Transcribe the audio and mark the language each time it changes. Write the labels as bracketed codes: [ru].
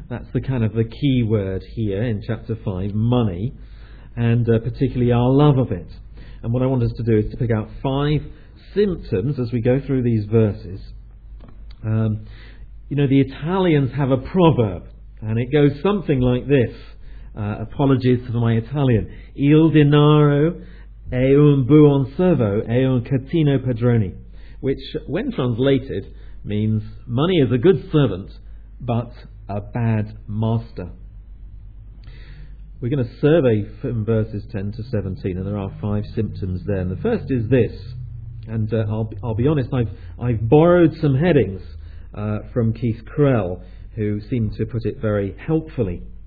[en] That's the kind of the key word here in chapter 5, money, and particularly our love of it. And what I want us to do is to pick out 5 symptoms as we go through these verses. You know, the Italians have a proverb, and it goes something like this. Apologies for my Italian. [it] Il denaro è un buon servo, è un cattivo padrone, [en] which, when translated, means money is a good servant, but a bad master. We're going to survey from verses 10 to 17, and there are 5 symptoms there. And the first is this, and I'll be honest, I've borrowed some headings from Keith Krell, who seemed to put it very helpfully.